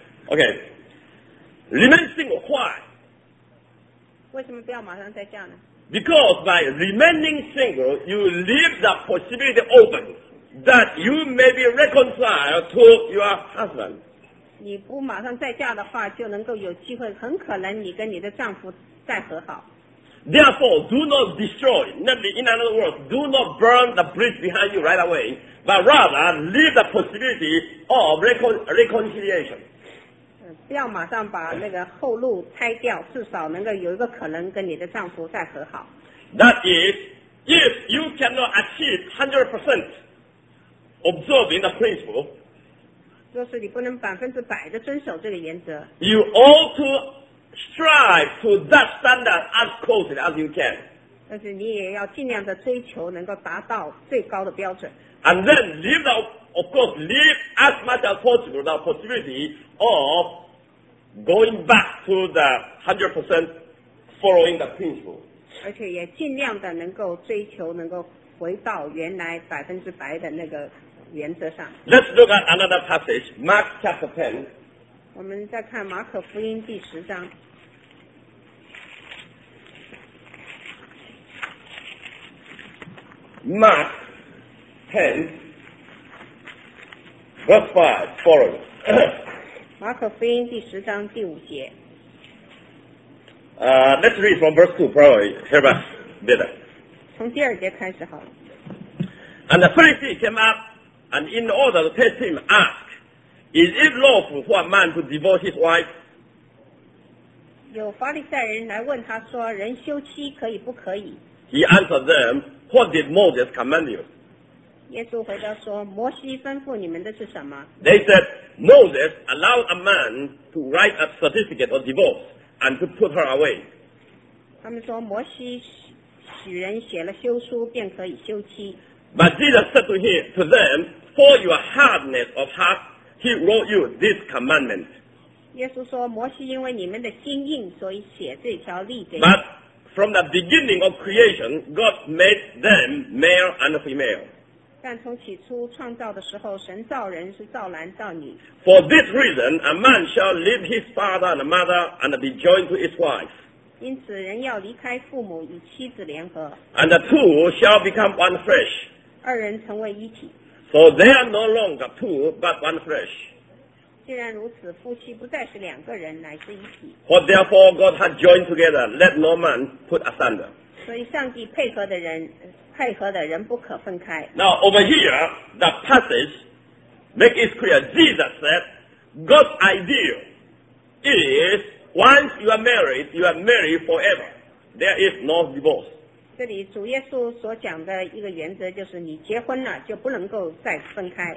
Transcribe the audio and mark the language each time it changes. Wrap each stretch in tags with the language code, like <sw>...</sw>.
<en>okay. Remain single. Why?</en> <zh>为什么不要马上再嫁呢?</zh> <en>Because by remaining single, you leave the possibility open that you may be reconciled to your husband.</en> <zh>你不马上再嫁的话，就能够有机会，很可能你跟你的丈夫再和好。</zh> <en>Therefore, do not destroy, in other words, do not burn the bridge behind you right away, but rather leave the possibility of reconciliation.</en> <zh>不要马上把那个后路拆掉，至少能够有一个可能跟你的丈夫再和好。</zh> <en>That is, if you cannot achieve 100% observing the principle,</en> <zh>若是你不能百分之百的遵守这个原则,</zh> <en>you ought to strive to that standard as closely as you can.</en> <zh>但是你也要尽量的追求能够达到最高的标准。</zh> <en>And then leave the, of course, leave as much as possible the possibility of going back to the 100% following the principle.</en> <zh>而且也尽量的能够追求能够回到原来百分之百的那个原则上。</zh> <en>Let's look at another passage, Mark chapter 10.</en> <zh>我们再看马可福音第十章。</zh> <en>Mark 10, verse 5, following.</en> <zh>马可福音第十章第五节。</zh> <en>Let's read from verse 2, probably. Here, back, better.</en> <zh>从第二节开始好了。</zh> <en>And the Pharisee came up, and in order to test him, asked, "Is it lawful for a man to divorce his wife?"</en> <zh>有法利赛人来问他说，人休妻可以不可以？</zh> <en>He answered them, "What did Moses command you?"</en> <zh>耶稣回答说，摩西吩咐你们的是什么？</zh> <en>They said, "Moses allowed a man to write a certificate of divorce and to put her away."</en> <zh>他们说，摩西许人写了休书，便可以休妻。</zh> <en>But Jesus said to them, "For your hardness of heart, he wrote you this commandment."</en> <zh>耶稣说，摩西因为你们的心硬，所以写这条律给你。</zh> <en>But from the beginning of creation, God made them male and female.</en> <zh>但从起初创造的时候，神造人是造男造女。</zh> <en>For this reason, a man shall leave his father and mother and be joined to his wife.</en> <zh>因此人要离开父母与妻子联合。</zh> <en>And the two shall become one flesh.</en> <zh>二人成为一体。</zh> <en>So they are no longer two, but one flesh.</en> <zh>既然如此，夫妻不再是两个人，乃是一体。</zh> <en>What therefore God had joined together, let no man put asunder.</en> <zh>所以上帝配合的人不可分开。</zh> <en>Now over here, the passage makes it clear. Jesus said, God's idea is,Once you are married, you are married forever. There is no divorce.</en> <zh>这里主耶稣所讲的一个原则就是你结婚了就不能够再分开。</zh>